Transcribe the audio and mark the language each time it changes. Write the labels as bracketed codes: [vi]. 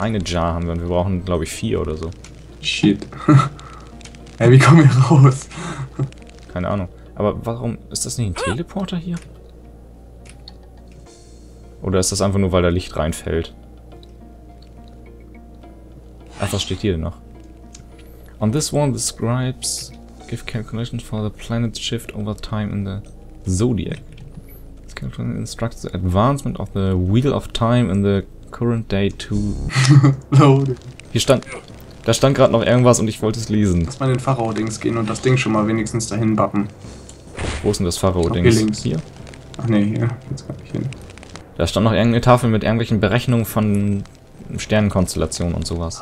[de] eine Jar haben wir und wir brauchen, glaube ich, vier oder so. Shit. Hey, wie kommen wir raus? Keine Ahnung. Aber warum ist das nicht ein Teleporter hier? Oder ist das einfach nur, weil da Licht reinfällt? Ach, was steht hier denn noch? [en] On this one, the scribes give calculations for the planet's shift over time in the zodiac. This calculation instructs the advancement of the wheel of time in the current day to. [de] Hier stand. Da stand gerade noch irgendwas und ich wollte es lesen. Lass mal in den Pharao-Dings gehen und das Ding schon mal wenigstens dahin bappen. Wo ist denn das Pharao-Dings? Hier links. Hier? Ach nee, hier. Jetzt kann ich hin. Da stand noch irgendeine Tafel mit irgendwelchen Berechnungen von Sternenkonstellationen und sowas.